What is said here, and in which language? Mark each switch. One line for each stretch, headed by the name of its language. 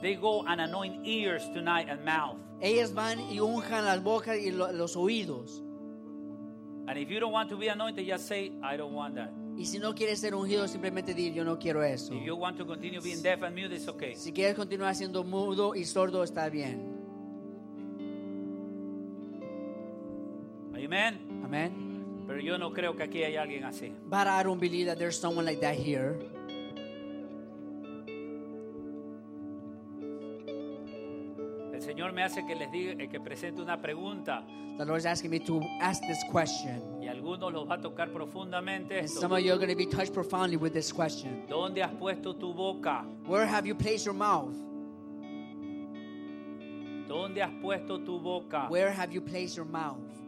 English: They go and anoint ears tonight and mouth.
Spanish: Ellas van y unjan las bocas y los oídos.
English: And if you don't want to be anointed, just say, I don't want that.
Spanish: Y si no quieres ser ungido, simplemente di, yo no quiero eso.
English: If you want to continue being deaf and mute, it's okay.
Spanish: Si quieres continuar siendo mudo y sordo, está bien. Amen. Amen. Pero yo no creo que aquí haya alguien así.
English: But I don't believe that there's someone like that here.
Spanish: El Señor me hace que les diga, que presente una pregunta.
English: The Lord is asking me to ask this question.
Spanish: Y algunos los va a tocar profundamente.
English: And some of you are going to be touched profoundly with this question.
Spanish: ¿Dónde has puesto tu boca?
English: Where have you placed your mouth?
Spanish: ¿Dónde has puesto tu boca?
English: Where have you placed your mouth?